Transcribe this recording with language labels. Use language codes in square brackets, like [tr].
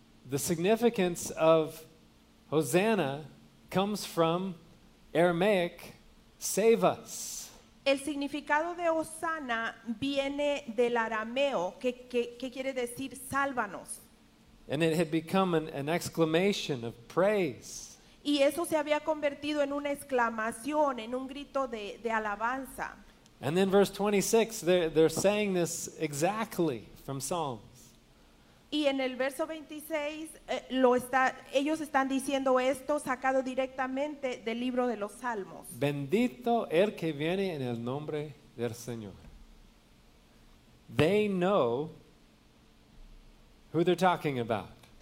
[en] The significance of Hosanna comes from Aramaic, save us. [es] El significado de Hosanna viene del arameo, que quiere decir sálvanos. [en] And it had become an exclamation of praise. [es] Y eso se había convertido en una exclamación, en un grito de alabanza. [en] And then verse 26, they're saying this exactly from Psalms. [es] Y en el verso 26, ellos están diciendo esto sacado directamente del libro de los Salmos. Bendito el que viene en el nombre del Señor. [en] They know who they're talking about.